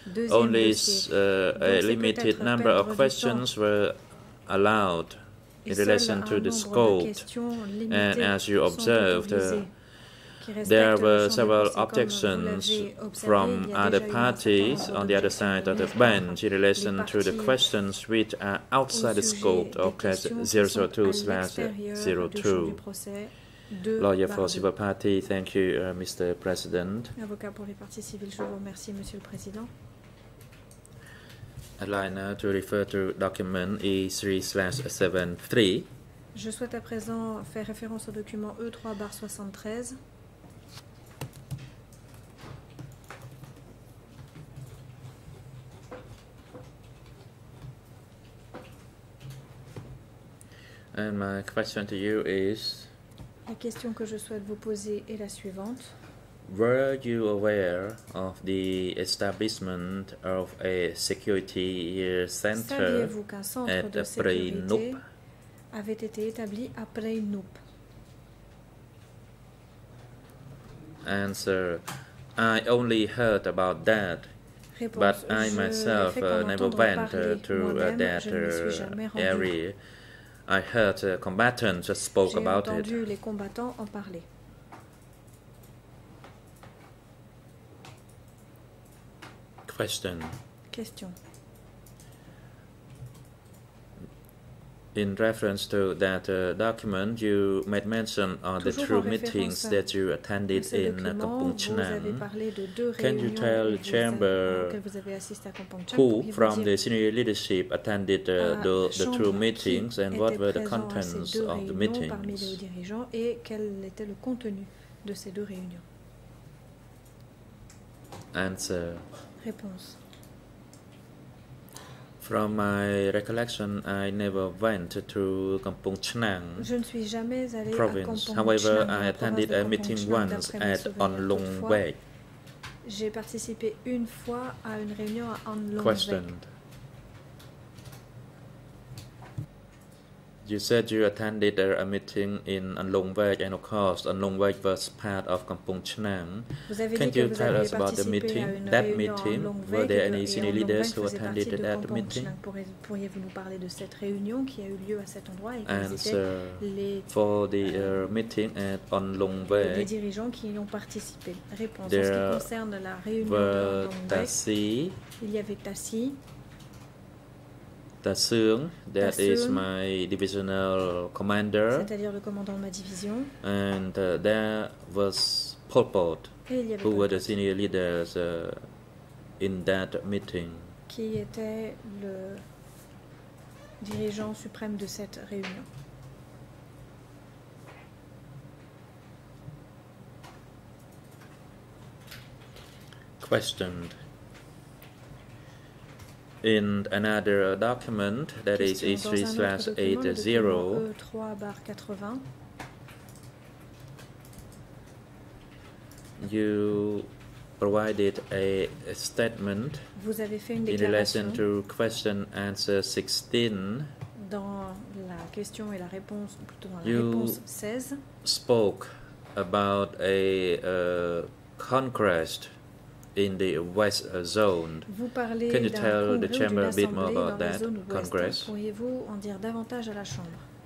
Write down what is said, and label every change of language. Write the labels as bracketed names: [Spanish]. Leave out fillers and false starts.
[English] Only a limited number of questions were allowed in relation to the scope, and as you observed, there were several objections from other parties on the other side of the bench in relation to the questions which are outside the scope of case 002/02. Lawyer for civil party, thank you, Mr. President. [French] Avocat pour les parties civiles, je vous remercie, Monsieur le Président. [English] I'd like now to refer to document E3/73. [French] Je souhaite à présent faire référence au document E3/73. [English] And my question to you is, [French] la question que je souhaite vous poser est la suivante. [English] Were you aware of the establishment of a security center at Preinup? [French] Avait été établi à Preinup? [English] Answer, I only heard about that. [French] Réponse, [English] but I myself never went to that area. I heard combatants just spoke about it. [French] J'ai entendu les combattants en parler. [English] Question. In reference to that document, you made mention of the two meetings that you attended in Kampong Chnam. Can you tell the chamber who from the senior leadership attended the two meetings and what were the contents of the meetings? [French] Parmi les dirigeants et quel était le contenu de ces deux réunions? [English] Answer. [French] Réponse. [English] From my recollection, I never went to Kampong Chnang province. However, I attended a meeting once at On Long Wek. [French] J'ai participé une fois à une réunion à On Long Wek. [English] Question. You said you attended a meeting in On Long Wek, and of course, On Long Wek was part of Kampong Chnang. Can you tell us about the meeting? That meeting, were there any senior leaders who attended that meeting? [French] Pourriez-vous nous parler de cette réunion qui a eu lieu à cet endroit? [English] Answer. For the meeting at On Long Wek, [French] les dirigeants qui y ont participé. Réponse. En ce qui concerne la réunion de On Long Wek, il y avait Tassi. [English] Da Seung, that is my divisional commander. [French] C'est-à-dire le commandant de ma division. [English] And there was Pol Pot, who were the senior leaders in that meeting. [French] Qui était le dirigeant suprême de cette réunion. [English] Questioned. In another document, that question is E3/80, you provided a statement [French] vous avez fait une [English] in relation to question answer 16. [French] Dans la question et la réponse, plutôt dans la [English] you [French] réponse 16, [English] spoke about a conquest in the West zone. [French] Vous parlez [English] can you tell the chamber a bit more about that congress? [French] Pourriez-vous en dire davantage à la chambre?